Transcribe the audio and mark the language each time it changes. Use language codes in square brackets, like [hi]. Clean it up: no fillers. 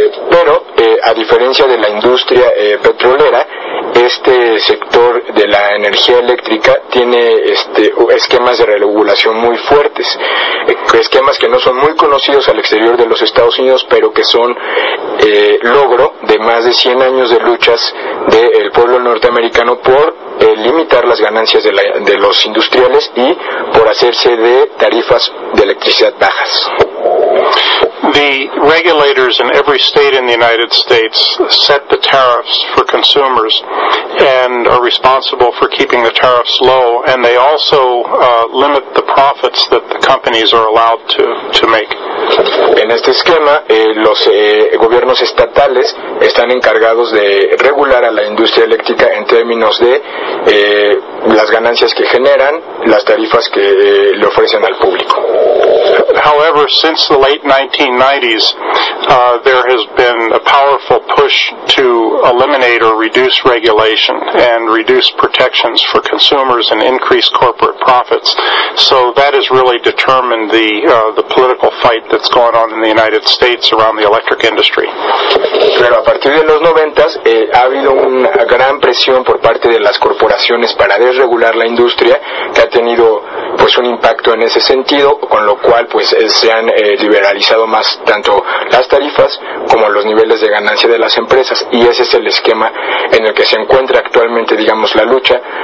[es] Pero, a diferencia de la industria petrolera, este sector de la energía eléctrica tiene esquemas de regulación muy fuertes, esquemas que no son muy conocidos al exterior de los Estados Unidos, pero que son logro de más de 100 años de luchas del pueblo norteamericano por limitar las ganancias de los industriales y por hacerse de tarifas de electricidad bajas. [en] The regulators in every state in the United States set the tariffs for consumers and are responsible for keeping the tariffs low, and they also limit the profits that the companies are allowed to make. [es] En este esquema, los gobiernos estatales están encargados de regular a la industria eléctrica en términos de las ganancias que generan, las tarifas que le ofrecen al público. [en] However, since the late 1990s, there has been a powerful push to eliminate or reduce regulation and reduce protections for consumers and increase corporate profits. So that has really determined the political fight that's going on in the United States around the electric industry. [es] Pero a partir de los 90s, ha habido una gran presión por parte de las corporaciones para desregular la industria, que ha tenido pues un impacto en ese sentido, con lo cual pues se han liberalizado más tanto las tarifas como los niveles de ganancia de las empresas, y ese es el esquema en el que se encuentra actualmente, digamos, la lucha